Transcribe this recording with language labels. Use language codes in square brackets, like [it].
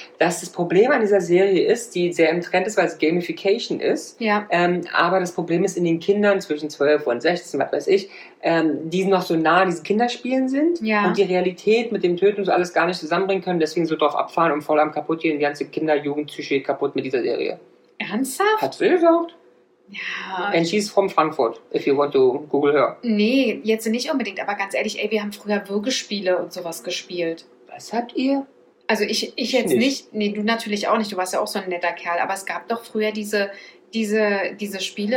[de] Dass das Problem an dieser Serie ist, die sehr im Trend ist, weil es Gamification ist. Ja. Aber das Problem ist in den Kindern zwischen 12 und 16, was weiß ich, die noch so nah an diesen Kinderspielen sind und die Realität mit dem Töten so alles gar nicht zusammenbringen können, deswegen so drauf abfahren und voll am kaputt gehen, die ganze Kinder-Jugend-Psyche kaputt mit dieser Serie. Ernsthaft? Hat sie gesagt. Ja. [en] And she's from Frankfurt, if you want to Google her. [de] Nee, jetzt nicht unbedingt, aber ganz ehrlich, ey, wir haben früher Würgespiele und sowas gespielt. Was habt ihr? Also ich jetzt nicht. Nee, du natürlich auch nicht, du warst ja auch so ein netter Kerl, aber es gab doch früher diese Spiele.